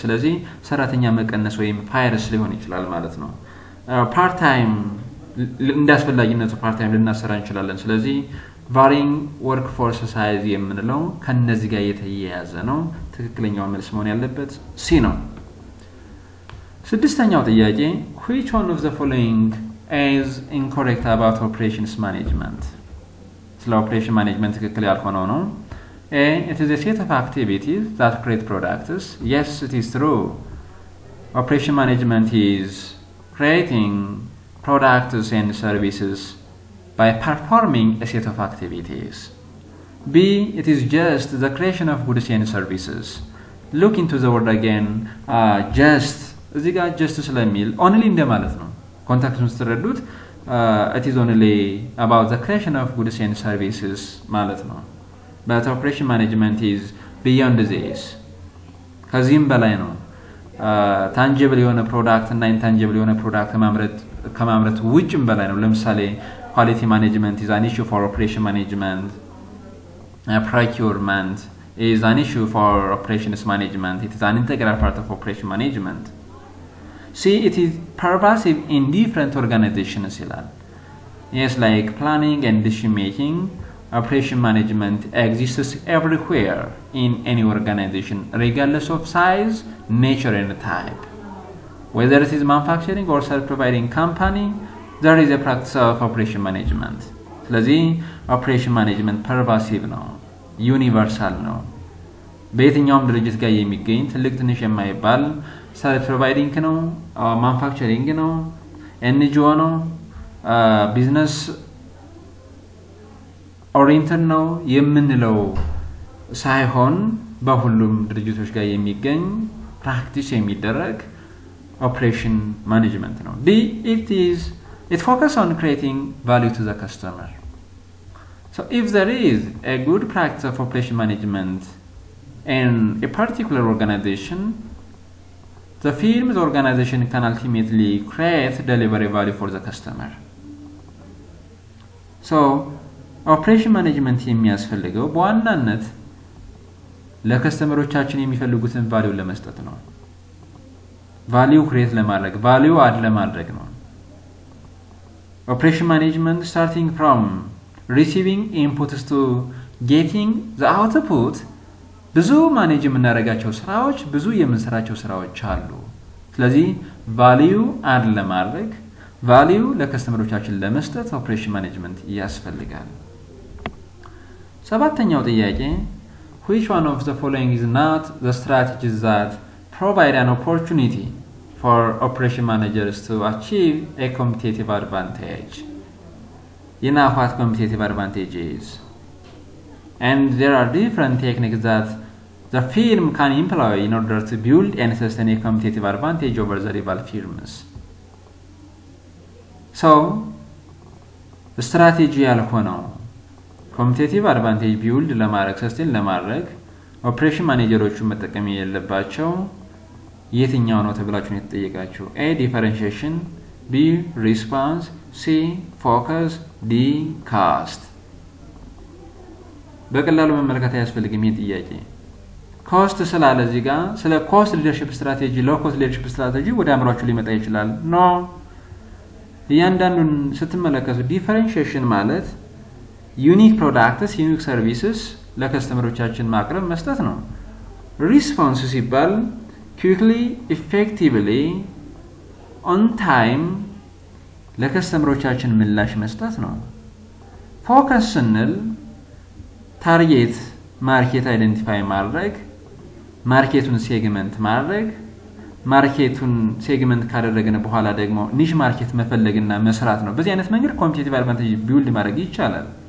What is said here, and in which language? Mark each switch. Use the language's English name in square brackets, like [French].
[Amharic] ስለዚህ ሰራተኛ መቀነስ ወይም ፋይርስ ሊሆን ይችላል ማለት ነው. ፓርት ታይም እንዳስፈላጊነቱ ፓርት ታይም ልናሰራ እንችላለን. ስለዚህ [English] varying workforce size [Amharic] የምንለው ከነዚህ ጋር የተያያዘ ነው. ትክክለኛው መልስ መሆን ያለበት C ነው. ስድስተኛው ጥያቄ [English] which one of the following is incorrect about operations management? Slow operation management [Amharic] ትክክል ያልሆነው ነው. [English] A it is a set of activities that create products. Yes, it is true. Operation management is creating products and services by performing a set of activities. B it is just the creation of goods and services. Look into the word again. [Amharic] Just እዚህ ጋር just ስለሚል only እንደማለት ነው. ኮንታክቱን ስትረዱት [English] it is only about the creation of goods and services [Amharic] ማለት ነው. [English] But operation management is beyond this. [Amharic] ከዚህም በላይ ነው. tangible የሆነ product እና intangible የሆነ product ከማምረት ውጭም በላይ ነው. ለምሳሌ [English] quality management is an issue for operation management. Procurement is an issue for operations management. It is an integral part of operation management. See, it is pervasive in different organizations. Yes, like planning and decision making, operation management exists everywhere in any organization, regardless of size, nature, and type. Whether it is manufacturing or self-providing company, there is a practice of operation management. [Amharic] ስለዚህ operation management pervasive ነው, universal ነው. በየትኛውም ድርጅት ጋር የሚገኝ ትልቅ ትንሽ የማይባል self-providing ነው, manufacturing ነው, NGO ነው, business oriented ነው የምንለው ሳይሆን በሁሉም ድርጅቶች ጋር የሚገኝ practice የሚደረግ operation management ነው. [English] D, it focuses on creating value to the customer. So if there is a good practice of operation management in a particular organization, the firm's organization can ultimately create delivery value for the customer. [Amharic] So operation management የሚያስፈልገው በዋናነት ለከስተመሮቻችን የሚፈልጉትን ቫልዩ ለመስጠት ነው. ቫልዩ ክሬት ለማድረግ, ቫልዩ አድ ለማድረግ ነው. [English] Operation management starting from receiving inputs to getting the output. [Amharic] ብዙ ማኔጅ የምናረጋቸው ስራዎች, ብዙ የምንሰራቸው ስራዎች አሉ. ስለዚህ ቫልዩ አድ ለማድረግ, ቫልዩ ለከስተመሮቻችን ለመስጠት ኦፕሬሽን ማኔጅመንት ያስፈልጋል. ሰባተኛው ጥያቄ, [English] which one of the following is not the strategies that provide an opportunity for operation managers to achieve a competitive advantage? You know what competitive advantage is. And there are different techniques that the firm can employ in order to build and sustain a competitive advantage over the rival firms. So, the strategy alone, competitive advantage build, ለማድረግ sustain, ለማድረግ operation managers [Amharic] መጠቀም የለባቸው የትኛው ነው ተብላችሁ የተጠየቃችሁ? [English] A, differentiation. B, response. C, focus. D, cost. [Amharic] በቀላሉ መመልከት ያስፈልግ የሚል ጥያቄ. cost ስላለ እዚህ ጋር ስለ cost leadership strategy, low cost leadership strategy ወደ አምራችሁ ሊመጣ ይችላል. [English] No. [Amharic] እያንዳንዱን ስትመለከቱ differentiation ማለት [English] unique products, unique services [Amharic] ለከስተመሮቻችን ማቅረብ መስጠት ነው. response ሲባል [English] quickly, effectively, on time, [Amharic] ለከስተመሮቻችን ምላሽ መስጠት ነው. focus ስንል target market identify ማድረግ, marketን segment ማድረግ, marketን segment ካደረግን በኋላ ደግሞ niche market መፈለግና መስራት ነው. በዚህ አይነት መንገድ competitive advantage build ማድረግ ይቻላል.